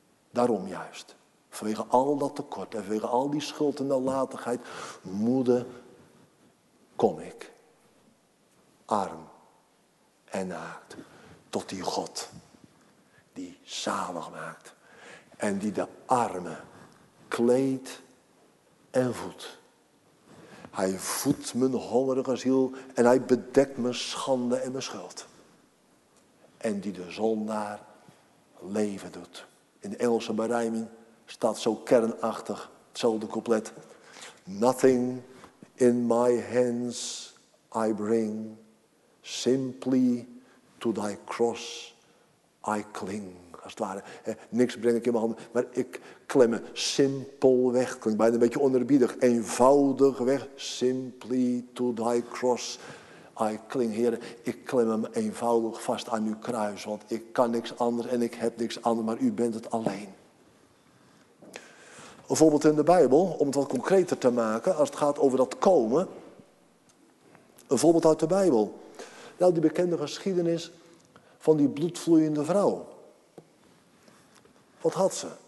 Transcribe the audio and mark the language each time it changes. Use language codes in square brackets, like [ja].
[nl] Daarom juist. Vanwege al dat tekort en vanwege al die schuld en nalatigheid, moede kom ik, arm en naakt, tot die God die zalig maakt en die de arme kleedt en voedt. Hij voedt mijn hongerige ziel en hij bedekt mijn schande en mijn schuld. En die de zondaar leven doet. In de Engelse berijming staat zo kernachtig, hetzelfde couplet. [en] Nothing in my hands I bring, simply to thy cross I cling. [nl] Als het ware, niks breng ik in mijn handen, maar ik klem me simpel weg. Klinkt bijna een beetje onerbiedig, eenvoudig weg. [en] Simply to thy cross I cling. [nl] Heer, ik klem me eenvoudig vast aan uw kruis, want ik kan niks anders en ik heb niks anders, maar u bent het alleen. Bijvoorbeeld in de Bijbel, om het wat concreter te maken, als het gaat over dat komen. Een voorbeeld uit de Bijbel. Nou, die bekende geschiedenis van die bloedvloeiende vrouw. Wat had ze?